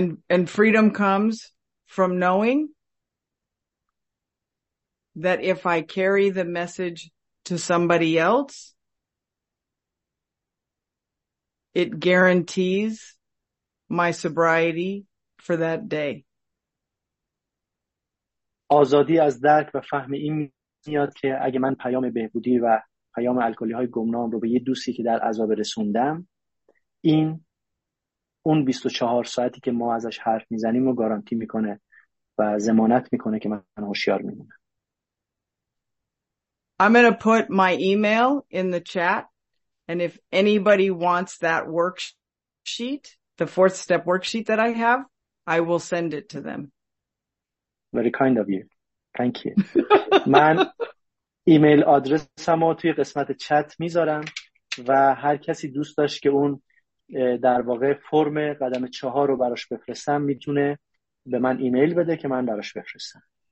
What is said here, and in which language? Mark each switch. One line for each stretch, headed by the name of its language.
English: And freedom comes from knowing that if I carry the message to somebody else, it guarantees my sobriety for that day.
Persian: آزادی از درک و فهم این میاد که اگه من پیام بهبودی و پیام الکلی های گمنام رو به یه دوستی که در عذاب رسوندم، این اون 24 ساعتی که ما ازش حرف میزنیم رو گارانتی میکنه و ضمانت میکنه که من هوشیار میمونم.
English: I'm going to put my email in the chat, and if anybody wants that worksheet, the fourth step worksheet that I have, I will send it to them. Very kind of you. Thank you.
Persian: من ایمیل آدرسم رو توی قسمت چت میذارم و هر کسی دوست داشت که اون در واقع فرم قدم 4 رو براش بفرستم میتونه به من ایمیل بده که من براش بفرستم.